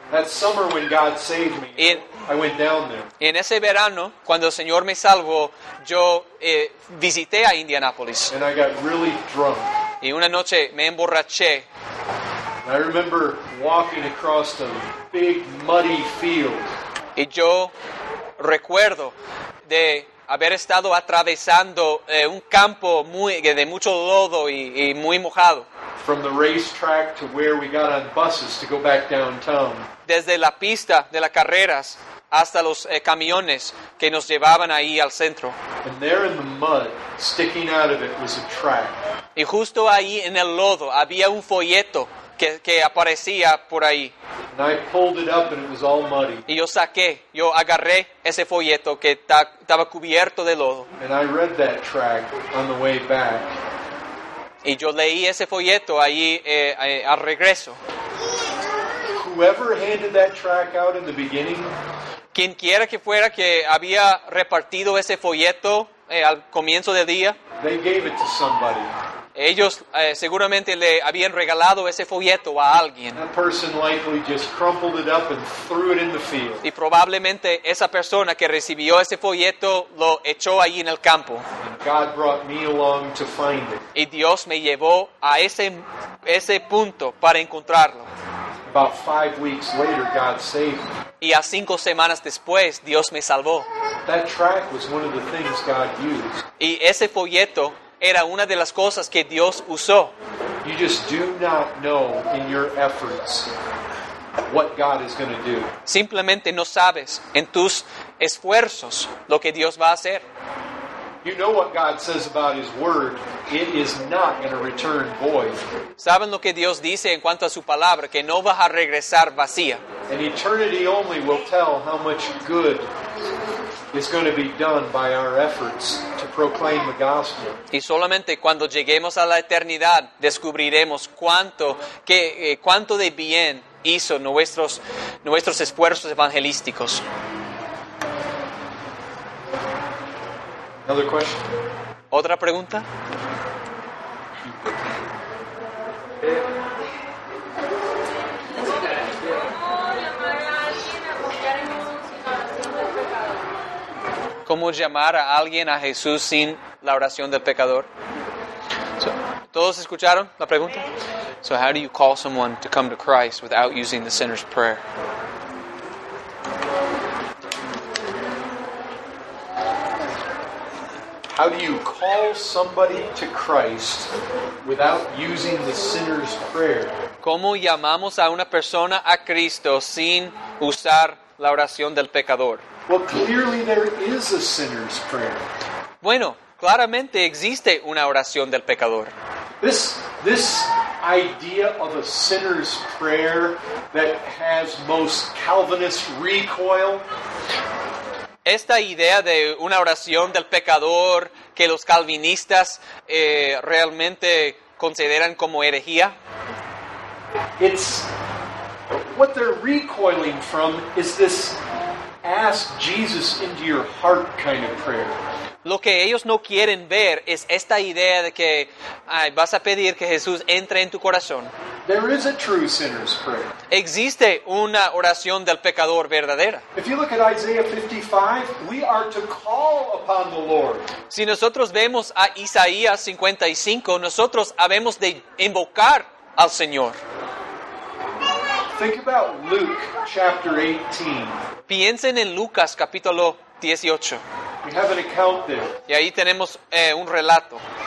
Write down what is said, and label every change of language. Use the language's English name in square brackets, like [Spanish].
[English] That summer when God saved me, I went down there. [Spanish] En ese verano, cuando el Señor me salvó, yo visité a Indianapolis. [English] And I got really drunk. [Spanish] Y una noche me emborraché. [English] And I remember walking across a big, muddy field. [Spanish] Y yo recuerdo de haber estado atravesando un campo muy de mucho lodo y muy mojado. [English] From the racetrack to where we got on buses to go back downtown. [Spanish] Desde la pista de las carreras hasta los camiones que nos llevaban ahí al centro. [English] And there in the mud, sticking out of it, was a track. [Spanish] Y justo ahí en el lodo había un folleto que aparecía por ahí. [English] And I pulled it up and it was all muddy. [Spanish] Y yo agarré ese folleto que estaba cubierto de lodo. [English] And I read that track on the way back. [Spanish] Y yo leí ese folleto ahí al regreso. [English] whoever handed that track out in the beginning, [Spanish] quienquiera que fuera que había repartido ese folleto al comienzo del día, [English] they gave it to somebody. [Spanish] Ellos seguramente le habían regalado ese folleto a alguien. [English] That person likely just crumpled it up and threw it in the field. [Spanish] Y probablemente esa persona que recibió ese folleto lo echó ahí en el campo. [English] And God brought me along to find it. [Spanish] Y Dios me llevó a ese punto para encontrarlo. [English] About 5 weeks later, God saved me. [Spanish] Y a 5 semanas después, Dios me salvó. [English] That track was one of the things God used. [Spanish] Y ese folleto era una de las cosas que Dios usó. [English] You just do not know in your efforts what God is going to do. [Spanish] Simplemente no sabes en tus esfuerzos lo que Dios va a hacer. [English] You know what God says about His word. It is not going to return void. [Spanish] Saben lo que Dios dice en cuanto a su palabra, que no va a regresar vacía. [English] And eternity only will tell how much good is going to be done by our efforts to proclaim the gospel. [Spanish] Y solamente cuando lleguemos a la eternidad descubriremos cuánto de bien hizo nuestros esfuerzos evangelísticos. [English] Another question. [Spanish] ¿Otra pregunta? ¿Cómo llamar a alguien a Jesús sin la oración del pecador? So, ¿todos escucharon la pregunta? [English] So how do you call someone to come to Christ without using the sinner's prayer? How do you call somebody to Christ without using the sinner's prayer? [Spanish] ¿Cómo llamamos a una persona a Cristo sin usar la oración del pecador? [English] Well, clearly there is a sinner's prayer. [Spanish] Bueno, claramente existe una oración del pecador. [English] This idea of a sinner's prayer that has most Calvinist recoil. [Spanish] Esta idea de una oración del pecador que los calvinistas realmente consideran como herejía. [English] It's what they're recoiling from is this ask Jesus into your heart kind of prayer. [Spanish] Lo que ellos no quieren ver es esta idea de que vas a pedir que Jesús entre en tu corazón. [English] There is a true sinner's prayer. [Spanish] Existe una oración del pecador verdadera. [English] If you look at Isaiah 55, we are to call upon the Lord. [Spanish] Si nosotros vemos a Isaías 55, nosotros habemos de invocar al Señor. [English] Think about Luke chapter 18. [Spanish] Piensen en Lucas capítulo 18. [English] We have an account there. [Spanish] Y ahí tenemos un relato.